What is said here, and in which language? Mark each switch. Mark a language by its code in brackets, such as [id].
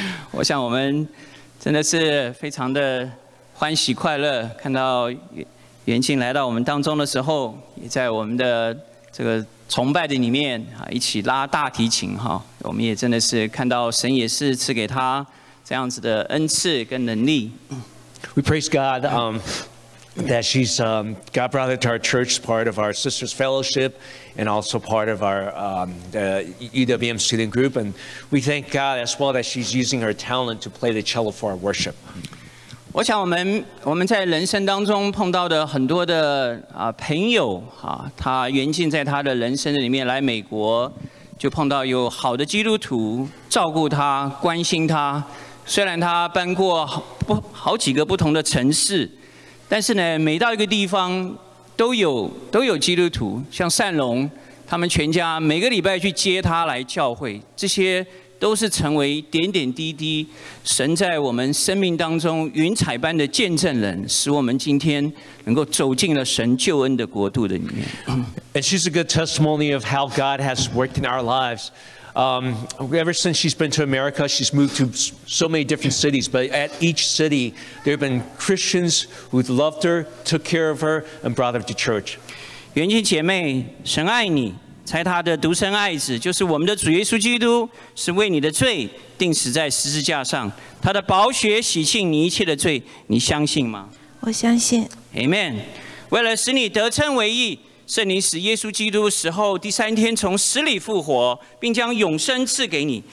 [zh] 我想我们真的是非常的欢喜快乐，看到袁静来到我们当中的时候，也在我们的这个崇拜的里面一起拉大提琴哈，我们也真的是看到神也是赐给他这样子的恩赐跟能力。 [en] We praise God that she's God brought her to our church, part of our sisters' fellowship, and also part of our UWM student group. And we thank God as well that she's using her talent to play the cello for our worship. [zh] 我想我们在人生当中碰到的很多的朋友他袁静在他的人生里面来美国，就碰到有好的基督徒照顾他、关心他。虽然他搬过好几个不同的城市。但是呢，每到一个地方都有基督徒，像善龙他们全家每个礼拜去接他来教会，这些都是成为点点滴滴神在我们生命当中云彩般的见证人，使我们今天能够走进了神救恩的国度的里面。 [en] And she's a good testimony of how God has worked in our lives. Ever since she's been to America, she's moved to so many different cities, but at each city, there have been Christians who loved her, took care of her, and brought her to church. [zh] 袁静姐妹，神爱你，才他的独生爱子，就是我们的主耶稣基督，是为你的罪钉死在十字架上，他的宝血洗净你一切的罪，你相信吗？我相信。 [en] Amen. [zh] 为了使你得称为义，圣灵使耶稣基督死后第三天从死里复活，并将永生赐给你。